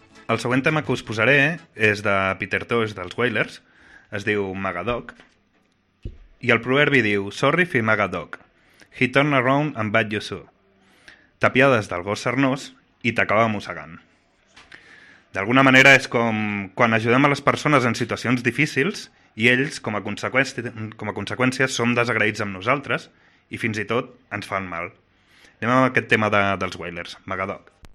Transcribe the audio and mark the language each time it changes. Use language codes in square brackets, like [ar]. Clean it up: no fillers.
[ca] El següent tema que us posaré és de Peter Tosh, dels Wailers. Es diu Magadoc. I el proverbi diu: [en] Sorry for Magadoc. He turned around and bat you so. [ca] Tapiades del gos sarnós i t'acaba mossegant. D'alguna manera és com quan ajudem a les persones en situacions difícils i ells, com a conseqüència, som desagraïts amb nosaltres i fins i tot ens fan mal. Anem amb aquest tema dels Wailers, Magadoc.